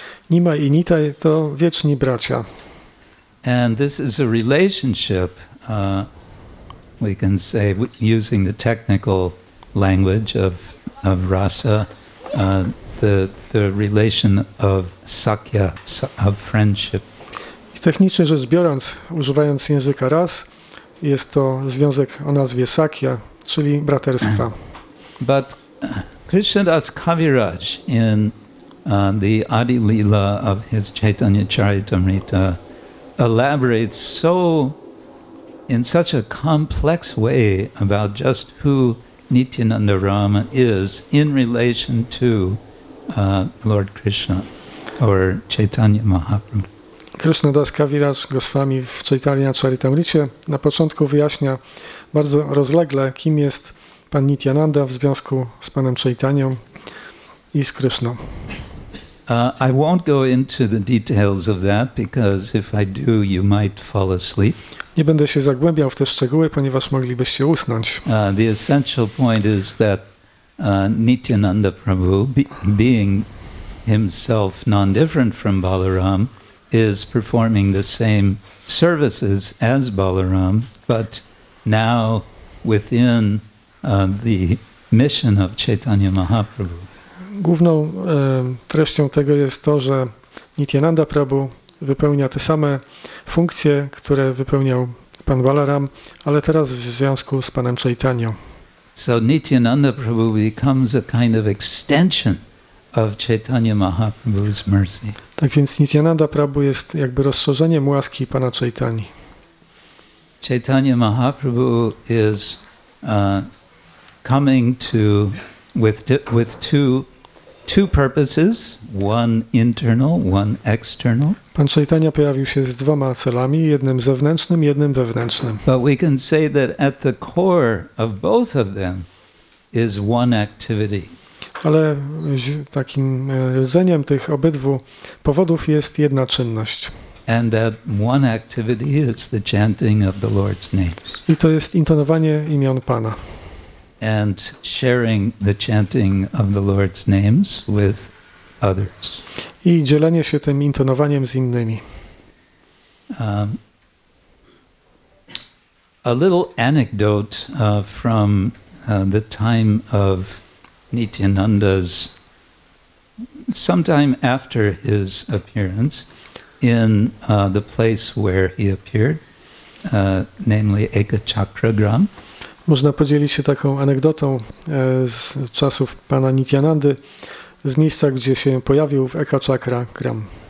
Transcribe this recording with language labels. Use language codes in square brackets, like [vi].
[pl] Nimai i Nitai to wieczni bracia. [en] And this is a relationship, we can say, using the technical language of rasa, the relation of sakya, of friendship. [pl] Technicznie rzecz biorąc, używając języka ras, jest to związek o nazwie sakya, czyli braterstwa. [en] But Krishnadas Kaviraj in the Adi Lila of his Chaitanya Charitamrita elaborates so in such a complex way about just who Nityananda Rama is in relation to Lord Krishna or Chaitanya Mahaprabhu. [pl] Krishnadas Kaviraj Goswami w Chaitanya Charitamricie na początku wyjaśnia bardzo rozlegle, kim jest Pan Nityananda w związku z Panem Chaitanią i z Krishną. [en] I won't go into the details of that, because if I do, you might fall asleep. [pl] Nie będę się zagłębiał w te szczegóły, ponieważ moglibyście usnąć. [en] The essential point is that Nityananda Prabhu, being himself non-different from Balaram, is performing the same services as Balaram, but now within the mission of Chaitanya Mahaprabhu. [pl] Główną treścią tego jest to, że Nityananda Prabhu wypełnia te same funkcje, które wypełniał Pan Balaram, ale teraz w związku z Panem Chaitanią. [en] So Nityananda Prabhu becomes a kind of extension of Chaitanya Mahaprabhu's mercy. [pl] Tak więc Nityananda Prabhu jest jakby rozszerzeniem łaski Pana Chaitani. [en] Chaitanya Mahaprabhu is coming to with two purposes, one internal, one external. [pl] Pan Chaitanya pojawił się z dwoma celami, jednym zewnętrznym, jednym wewnętrznym. [en] But we can say that at the core of both of them is one activity. [pl] Ale takim rdzeniem tych obydwu powodów jest jedna czynność. [en] And that one activity is the chanting of the Lord's name. [pl] I to jest intonowanie imion Pana. [en] And sharing the chanting of the Lord's names with others. [pl] I dzielenie się tym intonowaniem z innymi. [en] A little anecdote from the time of Nityananda's, sometime after his appearance in the place where he appeared, namely Ekachakragram. [pl] Można podzielić się taką anegdotą z czasów pana Nityanandy, z miejsca, gdzie się pojawił w Ekachakragram.